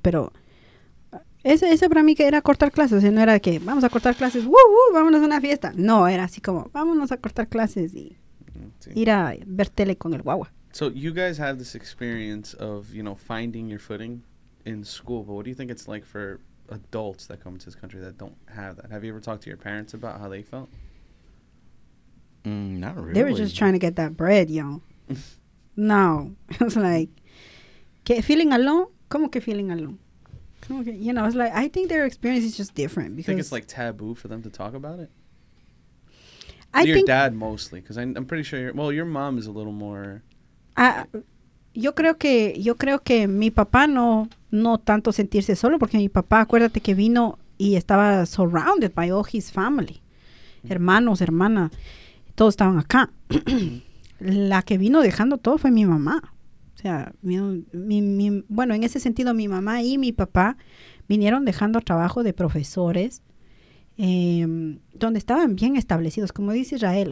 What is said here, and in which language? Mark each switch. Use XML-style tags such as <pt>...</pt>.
<es>Pero ese para mí que era cortar clases. O sea, no era que vamos a cortar clases, ¡woo! Vámonos a una fiesta. No, era así como vámonos a cortar clases y ir a ver tele con el guagua.</es> <en>So you guys have this experience of, you know, finding your footing in school. But what do you think it's like for adults that come to this country that don't have that? Have you ever talked to your parents about how they felt? Not really. They were just trying to get that bread, yo. No. It was like,</en> <es>¿qué,</es> <en>feeling alone?</en> <es>¿Cómo que</es> <en>feeling alone?</en> <es>¿Cómo que?</es> <en>You know, it's like, I think their experience is just different. Because you think it's like taboo for them to talk about it? Your dad mostly. Because I'm pretty sure your mom is a little more...</en> <es>Yo creo que mi papá no tanto sentirse solo, porque mi papá, acuérdate que vino y estaba</es> <en>surrounded by all his family,</en> <es>hermanos, hermanas, todos estaban acá. La que vino dejando todo fue mi mamá. O sea, en ese sentido, mi mamá y mi papá vinieron dejando trabajo de profesores, donde estaban bien establecidos, como dice Israel.</es>